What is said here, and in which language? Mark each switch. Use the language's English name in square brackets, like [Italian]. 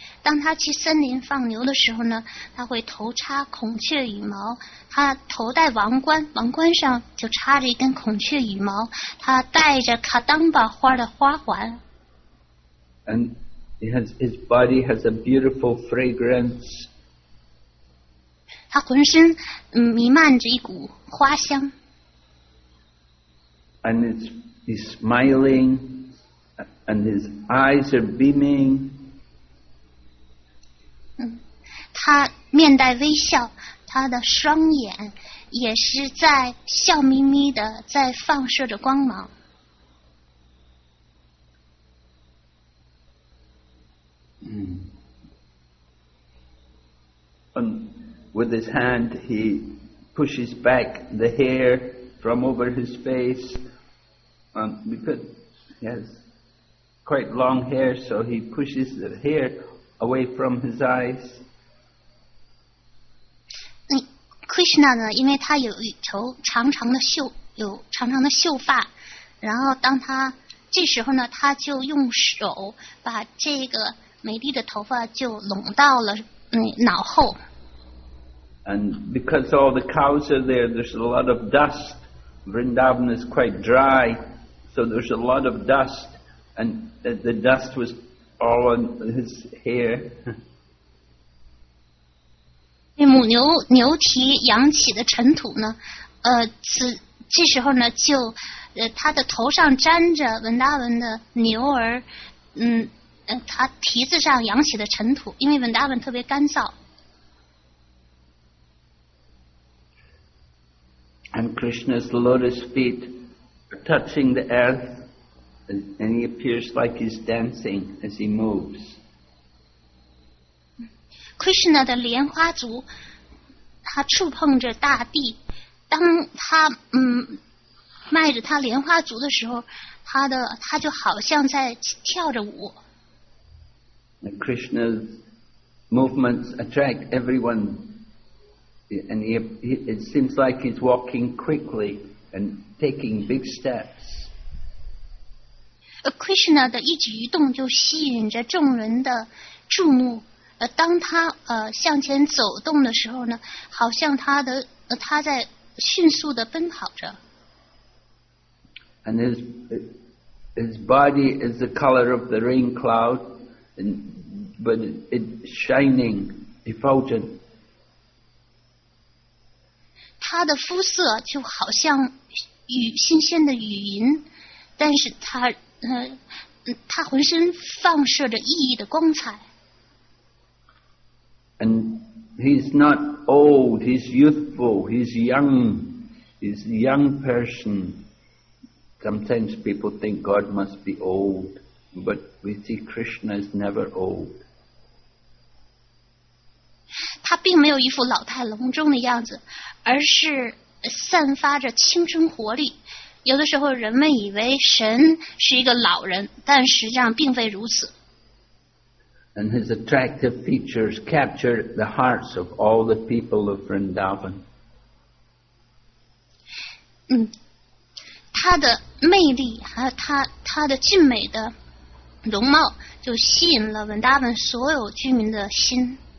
[Chinese] 当他去森林放牛的时候呢，他会头插孔雀羽毛，他头戴王冠，王冠上就插着一根孔雀羽毛，他戴着卡当巴花的花环。 [English] And his body has a beautiful fragrance. [Chinese] 他浑身弥漫着一股花香。 [English] And he's smiling, and his eyes are beaming. [Chinese] 他面带微笑，他的双眼也是在笑眯眯的，在放射着光芒。 [English] And with his hand, he pushes back the hair from over his face. Because he has quite long hair, so he pushes the hair away from his eyes. [Chinese] Krishna 呢，因为他有一头长长的秀，有长长的秀发，然后当他这时候呢，他就用手把这个美丽的头发就拢到了脑后。 [English] And because all the cows are there, there's a lot of dust. Vrindavan is quite dry, so there's a lot of dust, and the dust was all on his hair. [Chinese] 母牛蹄扬起的尘土呢，这时候呢就他的头上沾着文达文的牛儿，他蹄子上扬起的尘土，因为文达文特别干燥。 [English] And Krishna's lotus feet are touching the earth, and he appears like he's dancing as he moves. [Chinese] Krishna 的莲花足，他触碰着大地。当他迈着他莲花足的时候，他就好像在跳着舞。 [English] And Krishna's movements attract everyone, and it seems like he's walking quickly and taking big steps. [Chinese] Krishna 的一举一动就吸引着众人的注目。当他向前走动的时候呢，好像他在迅速的奔跑着。 [English] And his body is the color of the rain cloud, and but it's shining, effulgent. [Chinese] 他的肤色就好像雨新鲜的雨云，但是他浑身放射着熠熠的光彩。 [English] And he's not old, he's youthful, he's young, he's a young person. Sometimes people think God must be old, but we see Krishna is never old. [Chinese] 他并没有一副老态龙钟的样子，而是散发着青春活力。有的时候人们以为神是一个老人，但实际上并非如此。 [English] And his attractive features capture the hearts of all the people of Vrindavan. [Chinese] 他的魅力和他的俊美的容貌就吸引了 Vrindavan 所有居民的心。